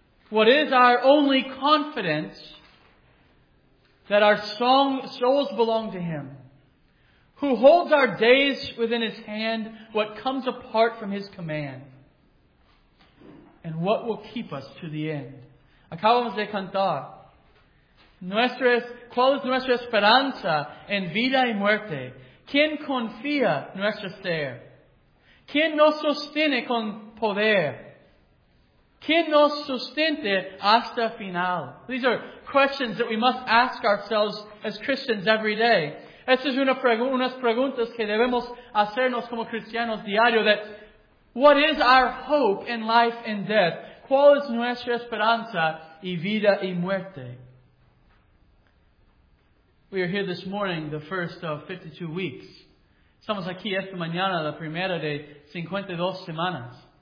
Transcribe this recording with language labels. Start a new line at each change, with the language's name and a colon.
English: What is our only confidence that our souls belong to Him? who holds our days within His hand, what comes apart from His command, and what will keep us to the end.
Spanish: Acabamos de cantar. ¿Cuál es nuestra esperanza en vida y muerte? ¿Quién confía nuestro ser? ¿Quién nos sostiene con poder? ¿Quién nos sustente hasta final?
English: These are questions that we must ask ourselves as Christians every day.
Spanish: Estas son unas preguntas que debemos hacernos como cristianos diario.
English: That what is our hope in life and death?
Spanish: ¿Cuál es nuestra esperanza y vida y muerte?
English: We are here this morning, the first of 52 weeks.
Spanish: Estamos aquí esta mañana, la primera de 52 semanas.